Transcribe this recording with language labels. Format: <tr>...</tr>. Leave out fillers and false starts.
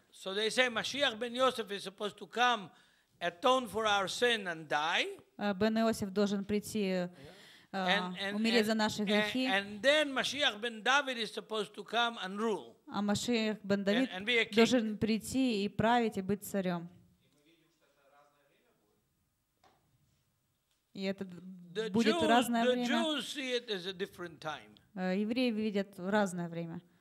<en>So they say Машиах бен Иосиф is supposed to come atone for our sin and die.</en> <ru>Бен Иосиф должен прийти умереть за наши грехи.</ru> <en>And then Машиах бен Давид is supposed to come and rule.</en> <ru>А Машиах бен Давид должен прийти и править, и быть царем. И это будет разное время.</ru> <en>The Jews see it as a different time.</en> <ru>Евреи видят в разное время.</ru>